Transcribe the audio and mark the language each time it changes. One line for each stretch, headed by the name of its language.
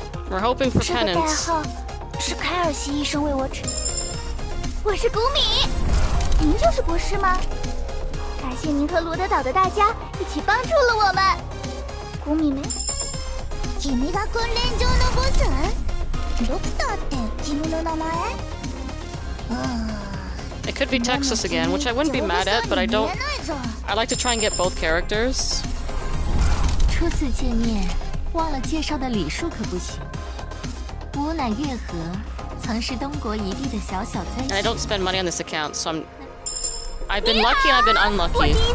English: We're hoping for penance. It could be Texas again, which I wouldn't be mad at, but I don't. I like to try and get both characters.
Chinese: 初次见面，忘了介绍的礼数可不行。
English: And I don't spend money on this account, so I've been lucky and I've been unlucky.